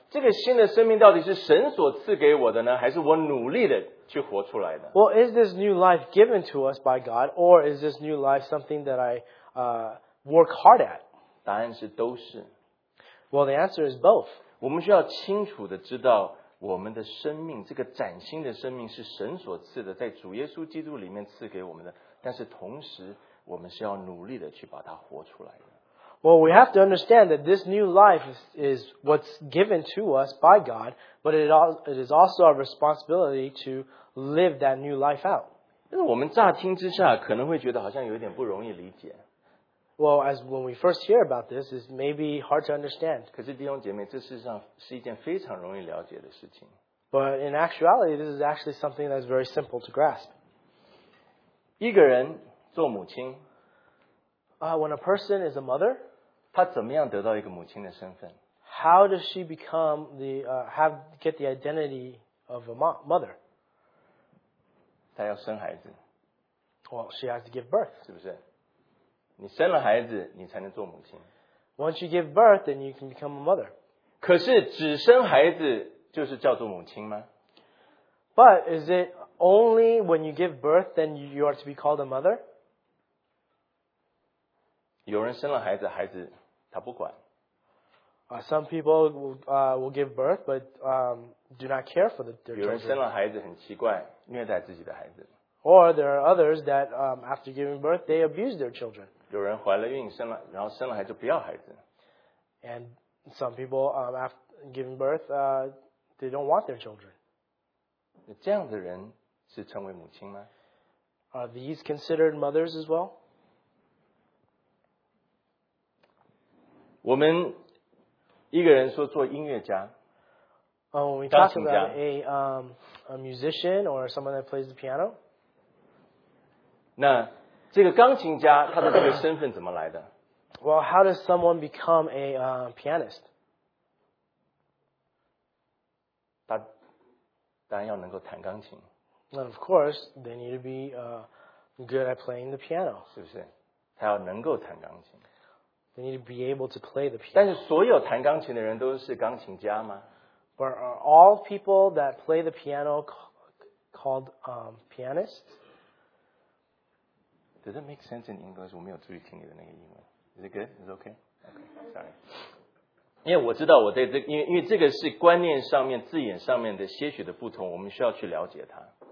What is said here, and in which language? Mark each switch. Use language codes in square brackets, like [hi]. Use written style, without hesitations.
[zh] 这个新的生命到底是神所赐给我的呢，还是我努力的去活出来的？ [en] Well, is this new life given to us by God, or is this new life something that I work hard at? [zh] 答案是都是。 [en] Well, the answer is both. [zh] 我们需要清楚的知道我们的生命，这个崭新的生命是神所赐的，在主耶稣基督里面赐给我们的，但是同时我们是要努力的去把它活出来的。 [en] Well, we have to understand that this new life is what's given to us by God, but it is also our responsibility to live that new life out. [zh] 但是我们乍听之下可能会觉得好像有点不容易理解。 [en] Well, as when we first hear about this, it's maybe hard to understand. [zh] 可是弟兄姐妹，这事实上是一件非常容易了解的事情。 [en] But in actuality, this is actually something that's very simple to grasp. [zh] 一个人做母亲。 [en] When a person is a mother, [zh] 她怎么样得到一个母亲的身份？ [en] How does she become get the identity of a mother? [zh] 她要生孩子。 [en] Well, she has to give birth. [zh] 是不是？你生了孩子，你才能做母亲。 [en] Once you give birth, then you can become a mother. [zh] 可是只生孩子就是叫做母亲吗？ [en] But is it only when you give birth, then you are to be called a mother? [zh] 有人生了孩子，孩子他不管。 [en] Some people will give birth, but do not care for their children. [zh] 有人生了孩子很奇怪，虐待自己的孩子。 [en] Or there are others that after giving birth, they abuse their children. [zh] 有人怀了孕，生了孩子就不要孩子。 [en] And some people after giving birth, they don't want their children. [zh] 这样的人是称为母亲吗？ [en] Are these considered mothers as well? [zh] 我们一个人说做音乐家。 [en] Oh, when we talk about a musician or someone that plays the piano. [zh] 那这个钢琴家他的这个身份怎么来的？ [en] Well, how does someone become a pianist? [zh] 他当然要能够弹钢琴。 [en] And of course, they need to be good at playing the piano. [zh] 是不是？他要能够弹钢琴。 [en] They need to be able to play the piano. [zh] 但是所有弹钢琴的人都是钢琴家吗？ [en] But are all people that play the piano called pianists? Does that make sense in English? [zh] 我没有注意听你的那个英文。 [en] Is it good? Is it okay? Okay, sorry. [zh] 因为我知道我对这个，因为这个是观念上面、字眼上面的些许的不同，我们需要去了解它。